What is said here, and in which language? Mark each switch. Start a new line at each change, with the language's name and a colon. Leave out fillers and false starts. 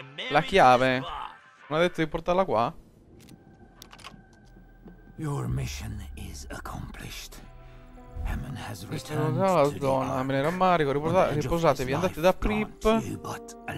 Italian: La chiave. Non ha detto di portarla qua?
English: Your mission is accomplished. Hammond has returned to the zona.
Italian: Me ne rammarico, riposatevi, andate da Prip.